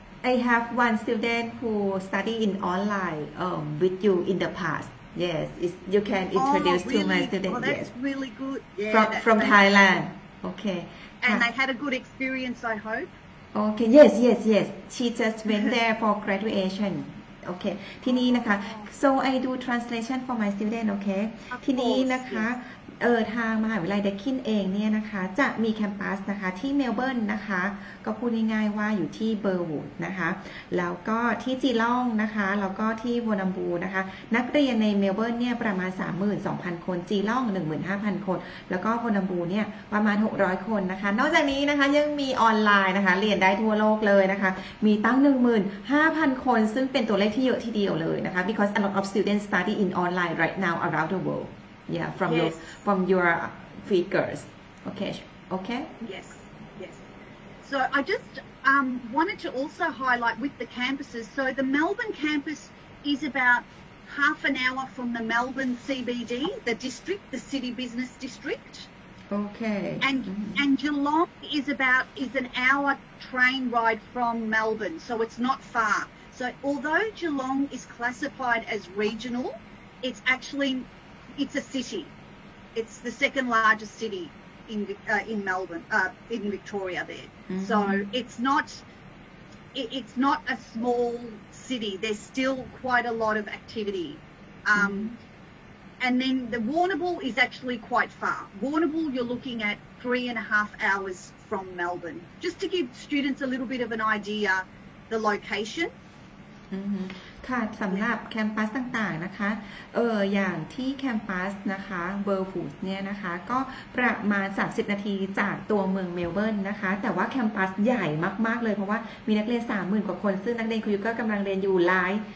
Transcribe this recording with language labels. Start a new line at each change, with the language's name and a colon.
English: I have one student who study in online with you in the past. Yes, you can introduce really? To my student. Oh, that's yes. really good. Yeah, from Thailand. Okay. And they had a good experience, I hope. Okay. Yes. She just went there for graduation
Thai: okay ทีนี้นะคะ
English: so I do translation for my student
Thai: okay ทีนี้นะคะทางมหาวิทยาลัยเดคินเองเนี่ยนะคะจะมีแคมปัสนะคะที่เมลเบิร์นนะคะก็พูดง่ายๆว่าอยู่ที่เบอร์วูดนะคะ แล้วก็ที่จีล่องนะคะแล้วก็ที่วอนัมบูนะคะนักเรียนในเมลเบิร์นเนี่ยประมาณ 32,000 คนจีล่อง 15,000 คนแล้วก็วอนัมบูเนี่ยประมาณ600คนนะคะนอกจากนี้นะคะยังมีออนไลน์นะคะเรียนได้ทั่วโลกเลยนะคะมีตั้ง 15,000 คนซึ่งเป็นตัวเลขที่เยอะทีเดียวเลยนะคะ
English: because a lot of students study in online right now around the worldYeah, from yes. from your figures. Okay. Yes. So I just wanted to also highlight with the campuses. So the Melbourne campus is about half an hour from the Melbourne CBD, the district, the city business district. Okay. And mm-hmm. and Geelong is an hour train ride from Melbourne, so it's not far. So although Geelong is classified as regional, it's actually it's a city. It's the second largest city in Melbourne, in Victoria there. Mm-hmm. So it's not a small city. There's still quite a lot of activity. Mm-hmm. And then the Warrnambool is actually quite far. Warrnambool, you're looking at 3.5 hours from Melbourne. Just to give students a little bit of an idea, the location. Mm-hmm.
Thai: ค่ะสำหรับแคมปัสต่างๆนะคะอย่างที่แคมปัสนะคะเบอร์ฟูดเนี่ยนะคะก็ประมาณ30นาทีจากตัวเมืองเมลเบิร์นนะคะแต่ว่าแคมปัสใหญ่มากๆเลยเพราะว่ามีนักเรียน 30,000 กว่าคนซึ่งนักเรียนคุยก็กำลังเรียนอยู่หลาย